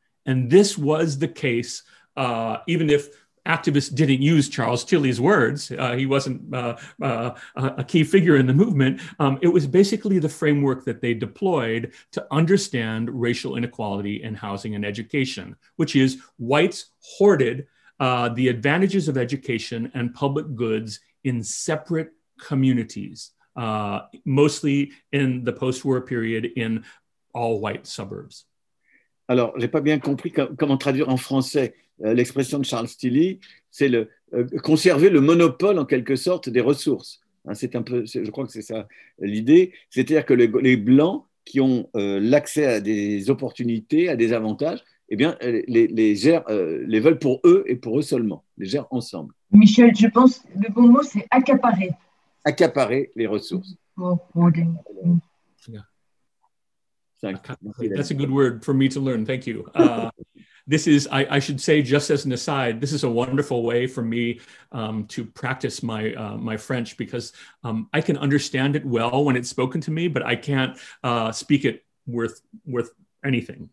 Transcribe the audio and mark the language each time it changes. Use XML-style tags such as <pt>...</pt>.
<en>And this was the case, even if activists didn't use Charles Tilly's words, he wasn't a key figure in the movement, it was basically the framework that they deployed to understand racial inequality in housing and education, which is whites hoarded the advantages of education and public goods in separate communities, mostly in the post-war period in all white suburbs.</en> <fr>Alors, j'ai pas bien compris comment traduire en français l'expression de Charles Tilly, c'est le conserver le monopole en quelque sorte des ressources. Hein, c'est un peu, je crois que c'est ça l'idée. C'est-à-dire que les blancs qui ont l'accès à des opportunités, à des avantages, eh bien, les veulent pour eux et pour eux seulement, les gèrent ensemble. Michel, je pense que le bon mot c'est accaparer. Accaparer les ressources.</fr> <en>Oh, okay. That's a good word for me to learn. Thank you. This is, I should say, just as an aside, this is a wonderful way for me to practice my my French, because I can understand it well when it's spoken to me, but I can't speak it worth anything.</en>